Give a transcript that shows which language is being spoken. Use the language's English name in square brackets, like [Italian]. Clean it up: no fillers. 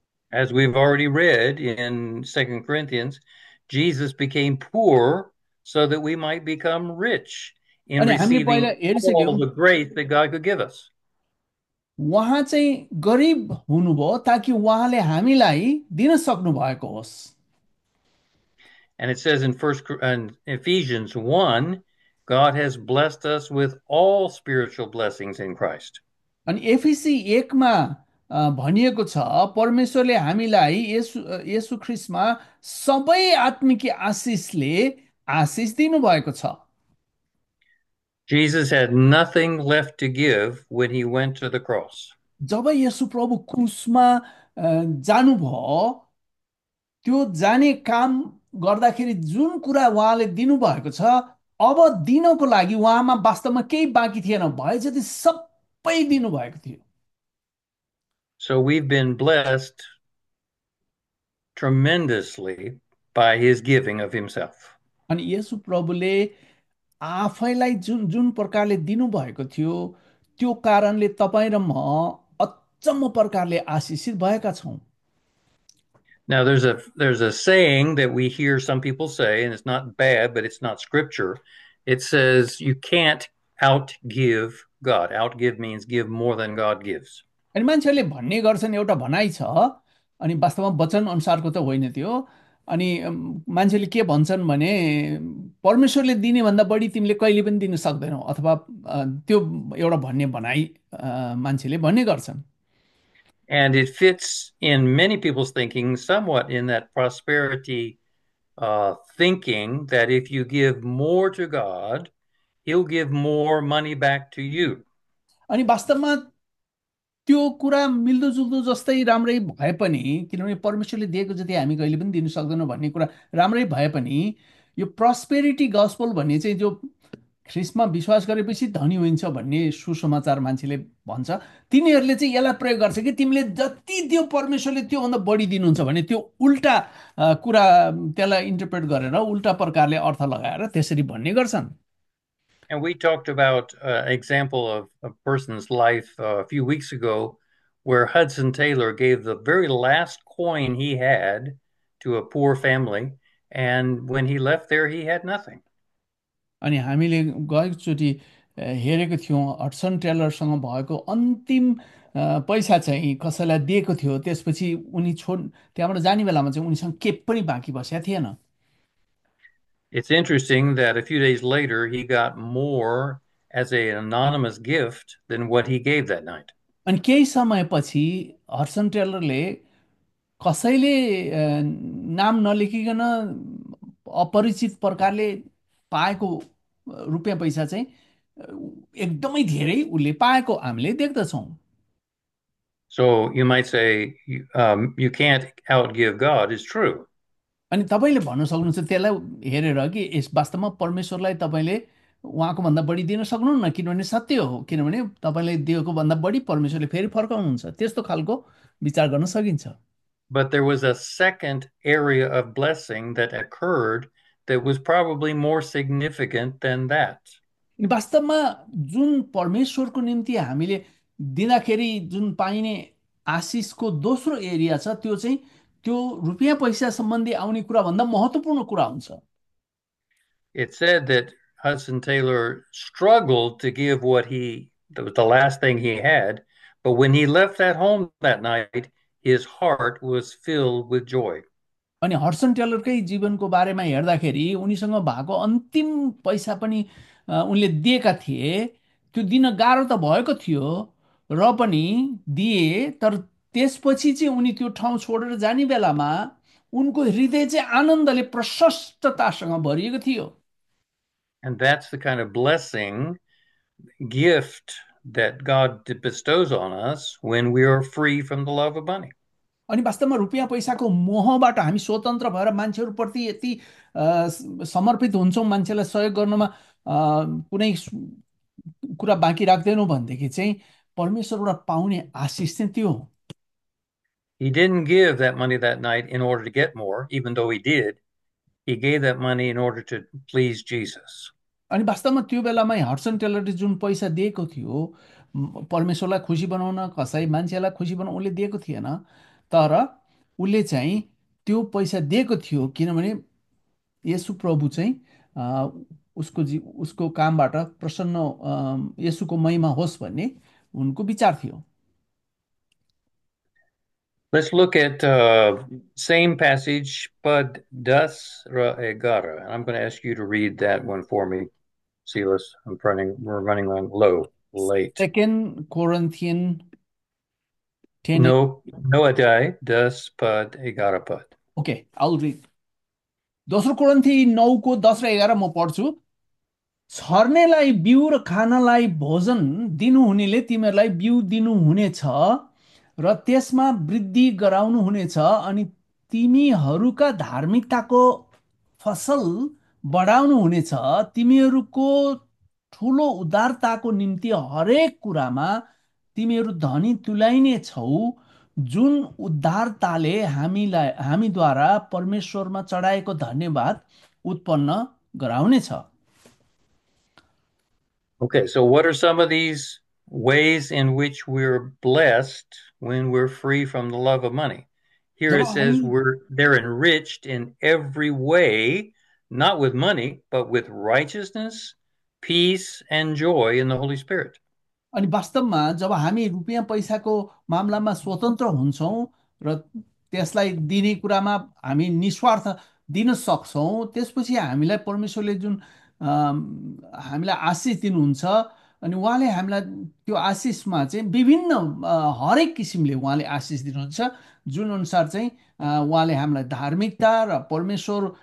[English] As we've already read in 2 Corinthians, Jesus became poor so that we might become rich in [Nepali] अनि हामी [English] receiving [Nepali] पहिला [English] all [Nepali] हेरिसक्यौँ [English] the grace that God could give us. [Nepali] उहाँ चाहिँ गरिब हुनुभयो ताकि उहाँले हामीलाई दिन सक्नु भएको होस्। [English] And it says in Ephesians 1, God has blessed us with all spiritual blessings in Christ. [Nepali] अनि एफिसी 1 भनिएको छ परमेश्वरले हामीलाई येशु ख्रीष्टमा सबै आत्मिक आशिषले आशिष दिनुभएको छ। [English] Jesus had nothing left to give when he went to the cross. [Nepali] जब येशु प्रभु क्रुसमा जानुभयो त्यो जाने काम गर्दाखेरि जुन कुरा उहाँले दिनुभएको छ अब दिनको लागि उहाँमा वास्तवमा केही बाँकी थिएन, भए जति सबै दिनुभएको थियो। [English] So we've been blessed tremendously by his giving of himself. [Nepali] अनि येशु प्रभुले आफैलाई जुन जुन प्रकारले दिनुभएको थियो त्यो कारणले तपाईँ र म अचम्म प्रकारले आशिषित भएका छौँ। [English] Now there's a saying that we hear some people say, and it's not bad, but it's not scripture. It says you can't outgive God. Outgive means give more than God gives. [Nepali] अनि मान्छेहरूले भन्ने गर्छन्, एउटा भनाइ छ अनि वास्तवमा वचन अनुसारको त होइन त्यो। अनि मान्छेले के भन्छन् भने परमेश्वरले दिने भन्दा बढी तिमीले कहिले पनि दिन सक्दैनौ, अथवा त्यो एउटा भन्ने भनाइ मान्छेले भन्ने गर्छन्। [English] And it fits in many people's thinking somewhat in that prosperity thinking that if you give more to God, He'll give more money back to you. [Nepali] अनि वास्तवमा त्यो कुरा मिल्दोजुल्दो जस्तै राम्रै भए पनि, किनभने परमेश्वरले दिएको जति हामी कहिले पनि दिन सक्दैनौँ भन्ने कुरा राम्रै भए पनि, यो प्रस्पेरिटी गस्पल भन्ने चाहिँ जो ख्रिस्टमा विश्वास गरेपछि धनी हुन्छ भन्ने सुसमाचार मान्छेले भन्छ, तिनीहरूले चाहिँ यसलाई प्रयोग गर्छ कि तिमीले जति दियो परमेश्वरले त्योभन्दा बढी दिनुहुन्छ भने, त्यो उल्टा कुरा त्यसलाई इन्टरप्रेट गरेर उल्टा प्रकारले अर्थ लगाएर त्यसरी भन्ने गर्छन्। [English] And we talked about an example of a person's life a few weeks ago where Hudson Taylor gave the very last coin he had to a poor family, and when he left there, he had nothing. [Nepali] अनि हामीले गएकोचोटि हेरेको थियौँ Hudson टेलरसँग भएको अन्तिम पैसा चाहिँ कसैलाई दिएको थियो, त्यसपछि उनी छोड त्यहाँबाट जाने बेलामा चाहिँ उनीसँग के पनि बाँकी बसेका थिएन। [English] It's interesting that a few days later he got more as an anonymous gift than what he gave that night. [Nepali] अनि केही समयपछि हडसन टेलरले कसैले नाम नलेखिकन अपरिचित प्रकारले पाएको रुपियाँ पैसा चाहिँ एकदमै धेरै उसले पाएको हामीले देख्दछौँ। [English] So you might say you can't outgive God is true. [Nepali] अनि तपाईँले भन्न सक्नुहुन्छ त्यसलाई हेरेर कि यस वास्तवमा परमेश्वरलाई तपाईँले उहाँको भन्दा बढी दिन सक्नुहुन्न, किनभने सत्य हो, किनभने तपाईँले दिएको भन्दा बढी परमेश्वरले फेरि फर्काउनुहुन्छ। त्यस्तो खालको विचार गर्न सकिन्छ। [English] But there was a second area of blessing that occurred that was probably more significant than that. [Nepali] वास्तवमा जुन परमेश्वरको निम्ति हामीले दिँदाखेरि जुन पाइने आशिषको दोस्रो एरिया छ, त्यो चाहिँ त्यो रुपियाँ पैसा सम्बन्धी आउने कुराभन्दा महत्त्वपूर्ण कुरा हुन्छ। [English] It said that Hudson Taylor struggled to give what he, that was the last thing he had, but when he left that home that night, his heart was filled with joy. [Nepali] अनि हर्सन टेलरकै जीवनको बारेमा हेर्दाखेरि उनीसँग भएको अन्तिम पैसा पनि उनले दिएका थिए, त्यो दिन गाह्रो त भएको थियो र पनि दिए, तर त्यसपछि चाहिँ उनी त्यो ठाउँ छोडेर जाने बेलामा उनको हृदय चाहिँ आनन्दले प्रशस्ततासँग भरिएको थियो। [English] And that's the kind of blessing, gift that God bestows on us when we are free from the love of money. [Nepali] अनि वास्तवमा रुपियाँ पैसाको मोहबाट हामी स्वतन्त्र भएर मान्छेहरूप्रति यति समर्पित हुन्छौँ, मान्छेलाई सहयोग गर्नमा कुनै कुरा बाँकी राख्दैनौँ भनेदेखि चाहिँ परमेश्वरबाट पाउने आशिष चाहिँ त्यो हो। [English] He didn't give that money that night in order to get more, even though he did. He gave that money in order to please Jesus. [Nepali] अनि वास्तवमा त्यो बेलामा हर्सन टेलरले जुन पैसा दिएको थियो परमेश्वरलाई खुसी बनाउन, कसै मान्छेलाई खुसी बनाउन उसले दिएको थिएन, तर उसले चाहिँ त्यो पैसा दिएको थियो किनभने येशु प्रभु चाहिँ उसको जी उसको कामबाट प्रसन्न, येशुको महिमा होस् भन्ने उनको विचार थियो। [English] Let's look at the same passage, Pad 10:11. And I'm going to ask you to read that one for me, Silas. We're running on low, late. 2 Corinthians 10. No, no, Adai, 10:11 Pad. Okay आउल read [Nepali] दोस्रो कोरन्थी 9:10-11 म पढ्छु। छर्नेलाई बिउ र खानलाई भोजन दिनुहुनेले तिमीहरूलाई बिउ दिनुहुनेछ र त्यसमा वृद्धि गराउनु हुनेछ अनि तिमीहरूका धार्मिकताको फसल बढाउनु हुनेछ, तिमीहरूको ठुलो उदारताको निम्ति हरेक कुरामा तिमीहरू धनी तुल्याइनेछौ, जुन उद्धारताले हामीलाई हामीद्वारा परमेश्वरमा चढाएको धन्यवाद उत्पन्न गराउनेछ। [English] Okay, so what are some of these ways in which we're blessed when we're free from the love of money? Here [Nepali] job [English] it says [Nepali] हामी [English] they're enriched in every way, not with money, but with righteousness, peace, and joy in the Holy Spirit. [Nepali] अनि वास्तवमा जब हामी रुपियाँ पैसाको मामलामा स्वतन्त्र हुन्छौँ र त्यसलाई दिने कुरामा हामी निस्वार्थ दिन सक्छौँ, त्यसपछि हामीलाई परमेश्वरले जुन हामीलाई आशिष दिनुहुन्छ अनि उहाँले हामीलाई त्यो आशिषमा चाहिँ विभिन्न हरेक किसिमले उहाँले आशिष दिनुहुन्छ, जुन अनुसार चाहिँ उहाँले हामीलाई धार्मिकता र परमेश्वर